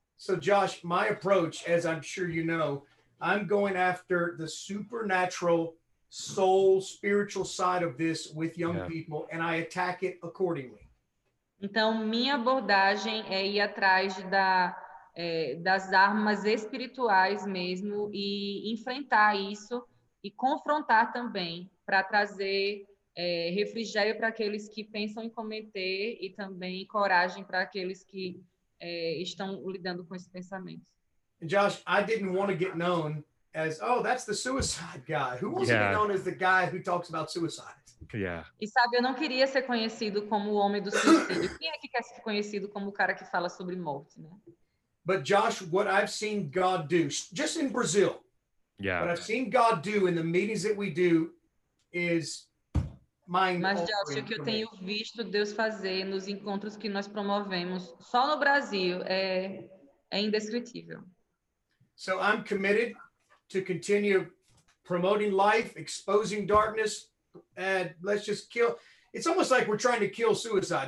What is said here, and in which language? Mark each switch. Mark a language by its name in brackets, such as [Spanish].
[English] So Josh, my approach, as I'm sure you know, I'm going after the supernatural soul, spiritual side of this with young yeah. people, and I attack it accordingly. [Portuguese] Então, minha abordagem é ir atrás das armas espirituais mesmo e enfrentar isso e confrontar também para trazer refrigério para aqueles que pensam em cometer e também coragem para aqueles que estão lidando com esses pensamentos. [English] And Josh, I didn't want to get known as, oh, that's the suicide guy. Who wants to be known as the guy who talks about suicide? Yeah. [Portuguese] E sabe, eu não queria ser conhecido como o homem do suicídio. Quem é que quer ser conhecido como o cara que fala sobre morte, né? [English] But Josh, what I've seen God do, just in Brazil. Yeah. What I've seen God do in the meetings that we do is mind-altering. [Portuguese] Mas Josh, o que eu tenho visto Deus fazer nos encontros que nós promovemos só no Brasil é indescritível. [English] So I'm committed to continue promoting life, exposing darkness, and let's just kill. It's almost like we're trying to kill suicide.